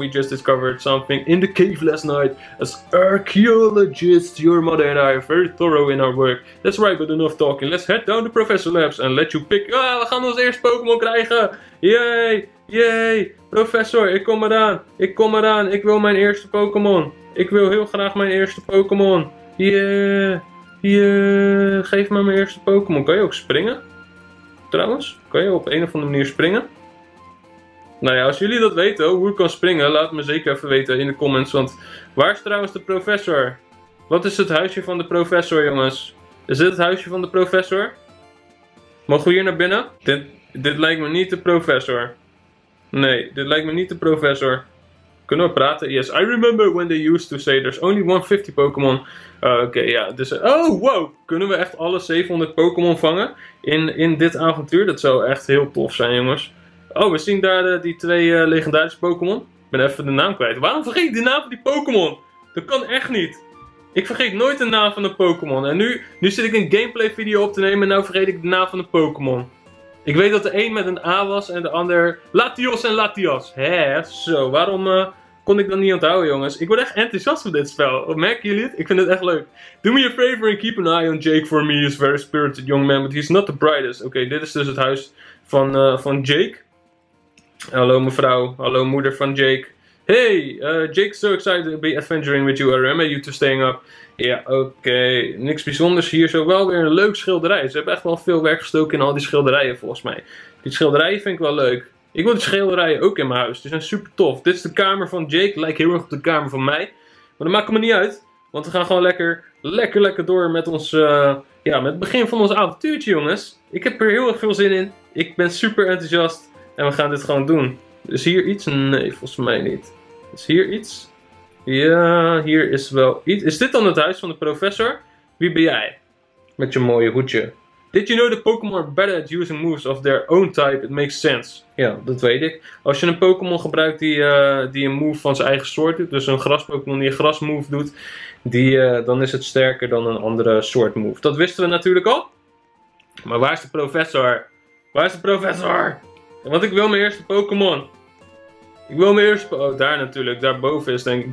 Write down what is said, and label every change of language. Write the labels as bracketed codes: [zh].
[en] We just discovered something in the cave last night. As archaeologists, your mother and I are very thorough in our work. That's right, but enough talking. Let's head down to Professor Labs and let you pick... [nl] Ah, we gaan onze eerste Pokémon krijgen. Yay, yay. Professor, ik kom eraan. Ik wil mijn eerste Pokémon. Ik wil heel graag mijn eerste Pokémon. Yeah. Geef me mijn eerste Pokémon. Kan je ook springen? Trouwens, kan je op een of andere manier springen? Nou ja, als jullie dat weten, hoe ik kan springen, laat me zeker even weten in de comments. Want waar is trouwens de professor? Wat is het huisje van de professor, jongens? Is dit het huisje van de professor? Mogen we hier naar binnen? Dit lijkt me niet de professor. Nee, dit lijkt me niet de professor. Kunnen we praten? [en] Yes, I remember when they used to say there's only 150 Pokémon. [nl] Dus... Oh, wow! Kunnen we echt alle 700 Pokémon vangen in dit avontuur? Dat zou echt heel tof zijn, jongens. Oh, we zien daar die twee legendarische Pokémon. Ik ben even de naam kwijt. Waarom vergeet ik de naam van die Pokémon? Dat kan echt niet. Ik vergeet nooit de naam van een Pokémon. En nu zit ik een gameplay video op te nemen en nu vergeet ik de naam van een Pokémon. Ik weet dat de een met een A was en de ander... Latios en Latias. Hè, zo. Waarom, kon ik dan niet onthouden, jongens. Ik word echt enthousiast voor dit spel. Merken jullie het? Ik vind het echt leuk. [en] Do me a favor and keep an eye on Jake for me. He's a very spirited young man, but he's not the brightest. [nl] Oké, okay, dit is dus het huis van Jake. Hallo mevrouw, hallo moeder van Jake. [en] Hey, Jake's so excited to be adventuring with you. I remember you to staying up. Ja, yeah, oké. [nl] Niks bijzonders hier. Zo wel weer een leuk schilderij. Ze hebben echt wel veel werk gestoken in al die schilderijen, volgens mij. Die schilderijen vind ik wel leuk. Ik wil die schilderijen ook in mijn huis. Die zijn super tof. Dit is de kamer van Jake. Lijkt heel erg op de kamer van mij. Maar dat maakt me niet uit. Want we gaan gewoon lekker door met ons... met het begin van ons avontuurtje, jongens. Ik heb er heel erg veel zin in. Ik ben super enthousiast. En we gaan dit gewoon doen. Is hier iets? Nee, volgens mij niet. Is hier iets? Ja, hier is wel iets. Is dit dan het huis van de professor? Wie ben jij? Met je mooie hoedje. [en] Did you know that Pokémon are better at using moves of their own type? It makes sense. [nl] Ja, dat weet ik. Als je een Pokémon gebruikt die een move van zijn eigen soort doet, dus een gras-Pokémon die een gras-move doet, dan is het sterker dan een andere soort move. Dat wisten we natuurlijk al. Maar waar is de professor? Waar is de professor? Want ik wil mijn eerste Pokémon. Ik wil mijn eerste Pokémon. Oh, daar natuurlijk. Daarboven is denk ik.